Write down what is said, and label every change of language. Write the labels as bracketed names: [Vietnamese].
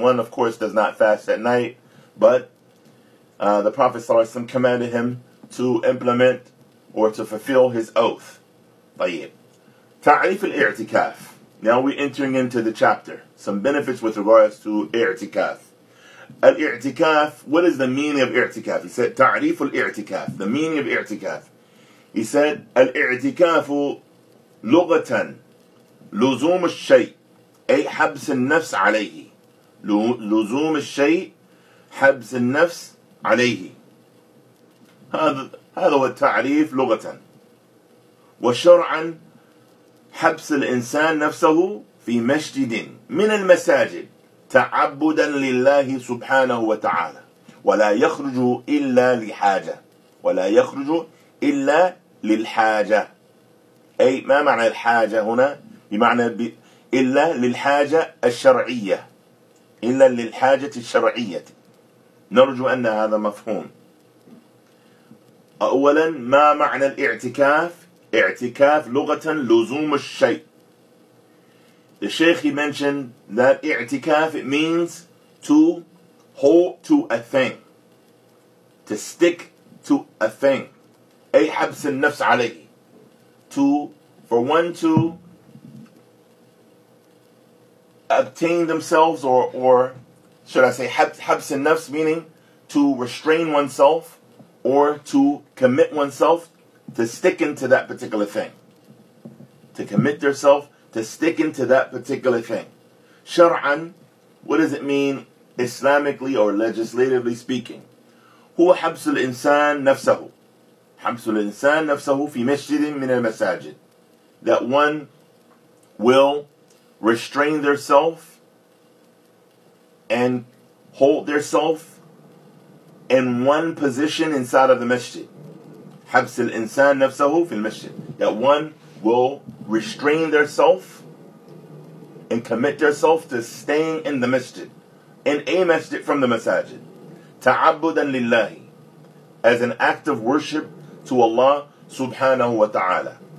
[English] One, of course, does not fast at night, but the Prophet ﷺ commanded him to implement or to fulfill his oath. [Arabic] طيب. تعريف الاعتكاف. [English] Now we're entering into the chapter. Some benefits with regards to i'tikaf. Al-i'tikaf, what is the meaning of i'tikaf? He said, [Arabic] تعريف الاعتكاف. [English] The meaning of i'tikaf. He said, [Arabic] الاعتكاف لغة لزوم الشيء أي حبس النفس عليه. لزوم الشيء حبس النفس عليه. هذا هو التعريف لغة. وشرعا حبس الإنسان نفسه في مسجد من المساجد تعبدا لله سبحانه وتعالى ولا يخرج إلا لحاجة ولا يخرج إلا للحاجة. أي ما معنى الحاجة هنا؟ بمعنى إلا للحاجة الشرعية. إلا للحاجة الشرعية. نرجو أن هذا مفهوم. أولا ما معنى الاعتكاف؟ اعتكاف لغة لزوم الشيء. [English] The Shaykh, he mentioned that i'tikaf, it means to hold to a thing. To stick to a thing. [Arabic] أي حبس النفس عليه. [English] To, for one to obtain themselves, or should I say [Arabic] حبس النفس, [English] meaning to restrain oneself or to commit oneself to stick into that particular thing. To commit yourself to stick into that particular thing. [Arabic] شرعاً, [English] what does it mean Islamically or legislatively speaking? [Arabic] هو حبس الإنسان نفسه. حبس الإنسان نفسه في مسجد من المساجد. [English] That one will restrain themselves and hold themselves in one position inside of the masjid. [Arabic] حبس الإنسان نفسه في المسجد. [English] That one will restrain themselves and commit themselves to staying in the masjid, in a masjid from the masajid. [Arabic] تعبداً لله, [English] as an act of worship to Allah subhanahu wa ta'ala.